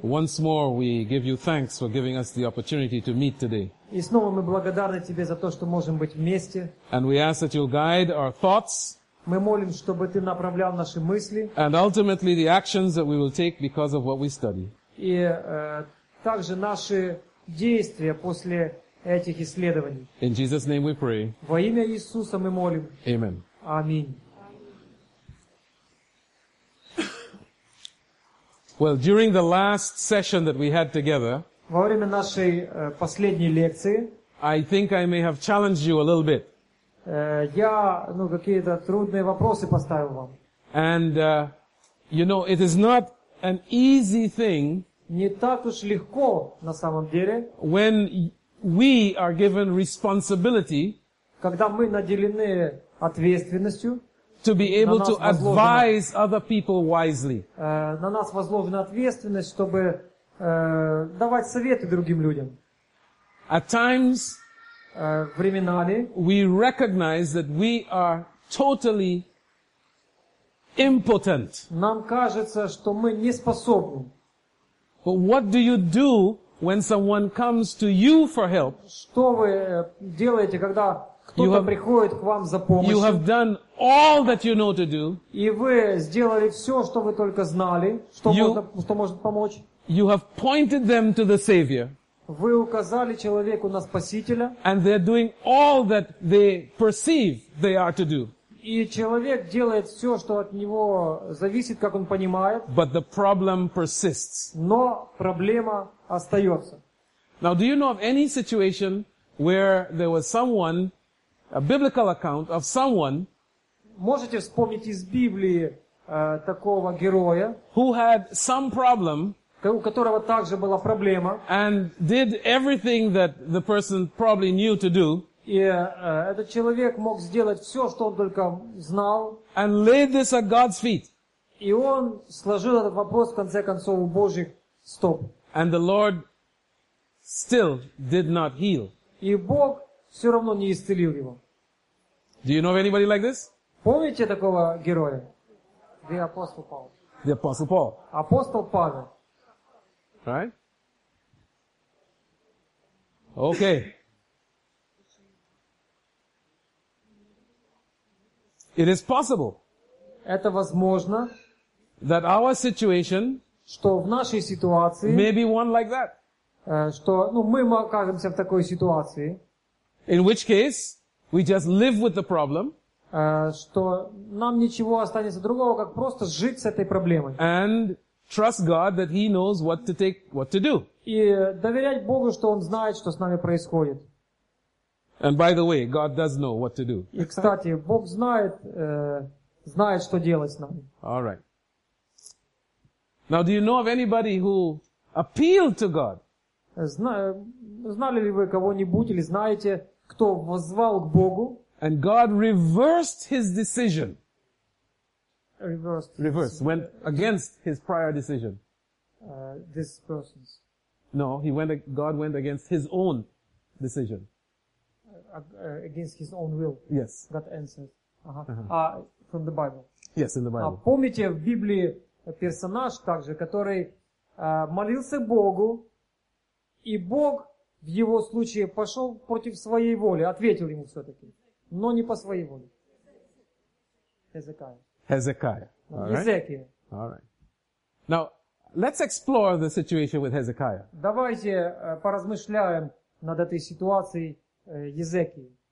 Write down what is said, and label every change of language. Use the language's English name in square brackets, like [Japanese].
[English] once more we give you thanks for giving us the opportunity to meet today. [Russian] И снова мы благодарны Тебе за то, что можем быть вместе. [English] And we ask that you'll guide our thoughts. [Russian] Мы молим, чтобы Ты направлял наши мысли. [English] And ultimately the actions that we will take because of what we study. [Russian] И также наши действия после этих исследований. [English] In Jesus' name we pray. [Russian] Во имя Иисуса мы молим. [English] Amen. [Russian] Аминь. [English] Well, during the last session that we had together, [Russian] во время нашей последней лекции, [English] I think I may have challenged you a little bit. [Russian] Я, ну, какие-то трудные вопросы поставил вам. [English] And, you know, it is not an easy thing. [Russian] Не так уж легко, на самом деле, [English] when we are given responsibility, [Russian] когда мы наделены ответственностью, [English] to be able to advise other people wisely. [Russian] На нас возложена ответственность, чтобы давать советы другим людям. [English] At times, [Russian] временами, [English] we recognize that we are totally impotent. [Russian] Нам кажется, что мы не способны. [English] But what do you do when someone comes to you for help? [Russian] Что вы делаете, когда кто-то приходит к вам за помощью? [English] You have done all that you know to do. [Russian] И вы сделали все, что вы только знали, что может помочь. [English] You have pointed them to the Savior. [Russian] Вы указали человеку на Спасителя. [English] And they're doing all that they perceive they are to do. [Russian] И человек делает все, что от него зависит, как он понимает. [English] But the problem persists. [Russian] Но проблема остается. [English] Now, do you know of any situation where there was someone, a biblical account of someone, [Russian] можете вспомнить из Библии такого героя, [English] who had some problem, [Russian] у которого также была проблема, [English] and did everything that the person probably knew to do, [Russian] и этот человек мог сделать все, что он только знал, [English] and laid this at God's feet, [Russian] и он сложил этот вопрос в конце концов у Божьих стоп, [English] and the Lord still did not heal, [Russian] и Бог все равно не исцелил его. [English] Do you know of anybody like this? [Russian] Помните такого героя? [English] The Apostle Paul. The Apostle Paul. [Russian] Апостол Павел. [English] Right? Okay. It is possible. [Russian] Это возможно. [English] That our situation, [Russian] что в нашей ситуации, [English] may be one like that. [Russian] Что, ну, мы окажемся в такой ситуации. [English] In which case, we just live with the problem. [Russian] Что нам ничего останется другого, как просто жить с этой проблемой. [English] And trust God that He knows what to take, what to do. [Russian] И доверять Богу, что Он знает, что с нами происходит. [English] And by the way, God does know what to do. [Russian] И кстати, Бог знает, знает, что делать с нами. [English] All right. Now, do you know of anybody who appealed to God? [Russian] Знали ли вы кого-нибудь или знаете, кто воззвал к Богу? [English] And God reversed his decision. Reversed. Went against his prior decision. This person's. No, God went against his own decision. Against his own will. Yes. God answered. Uh-huh. From the Bible. Yes, in the Bible. [Russian] Помните в Библии персонаж также, который молился Богу, и Бог в его случае пошел против своей воли, ответил ему все-таки. Но не по своей воле. Hezekiah. [English] Ezekiel. All right. Now, let's explore the situation with Hezekiah. [Russian] Давайте поразмышляем над этой ситуацией Езекии.